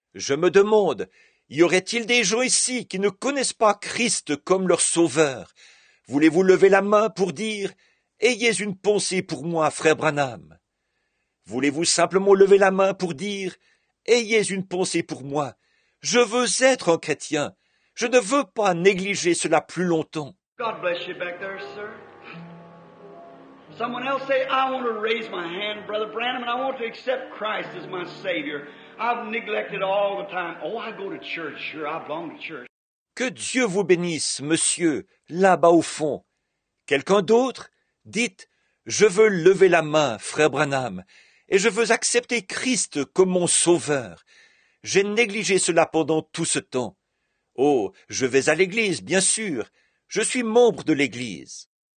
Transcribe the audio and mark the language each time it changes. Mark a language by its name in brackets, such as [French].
[French] Je me demande, y aurait-il des gens ici qui ne connaissent pas Christ comme leur Sauveur? Voulez-vous lever la main pour dire, "Ayez une pensée pour moi, Frère Branham"? Voulez-vous simplement lever la main pour dire, "Ayez une pensée pour moi, je veux être un chrétien, je ne veux pas négliger cela plus longtemps"? [English] God bless you back there, sir. Someone else say, "I want to raise my hand, Brother Branham, and I want to accept Christ as my Savior. I've neglected all the time. Oh, I go to church, sure, I belong to church." [French] Que Dieu vous bénisse, monsieur, là-bas au fond. Quelqu'un d'autre? Dites, "Je veux lever la main, Frère Branham, et je veux accepter Christ comme mon Sauveur. J'ai négligé cela pendant tout ce temps. Oh, je vais à l'église, bien sûr. Je suis membre de l'église."